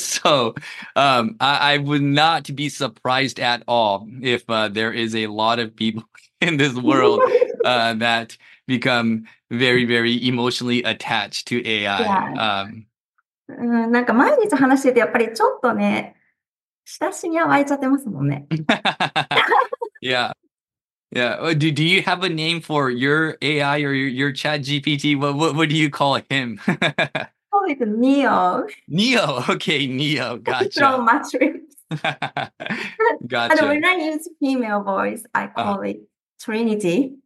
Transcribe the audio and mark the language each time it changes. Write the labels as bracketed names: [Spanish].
[English] So, I would not be surprised at all if there is a lot of people in this world that become very, very emotionally attached to AI. Yeah. [Japanese] なんか毎日話しててやっぱりちょっとね、親しみは湧いちゃってますもんね。 [English] Yeah. Yeah, do you have a name for your AI or your ChatGPT? What do you call him? Call it Neo. Neo, okay, Neo, gotcha. From Matrix. Gotcha. And when I use female voice, I call it Trinity.